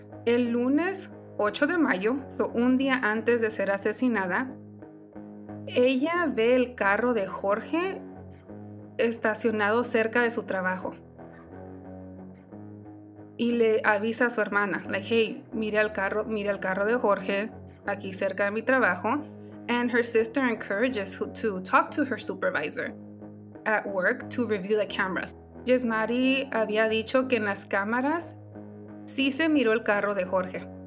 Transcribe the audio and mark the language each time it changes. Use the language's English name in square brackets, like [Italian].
[Spanish] El lunes 8 de mayo, un día antes de ser asesinada, ella ve el carro de Jorge estacionado cerca de su trabajo. Y le avisa a su hermana, [English] like, hey, [Spanish] mira el carro de Jorge aquí cerca de mi trabajo. [English] And her sister encourages her to talk to her supervisor at work to review the cameras. [Spanish] Jesmarie había dicho que en las cámaras sí se miró el carro de Jorge.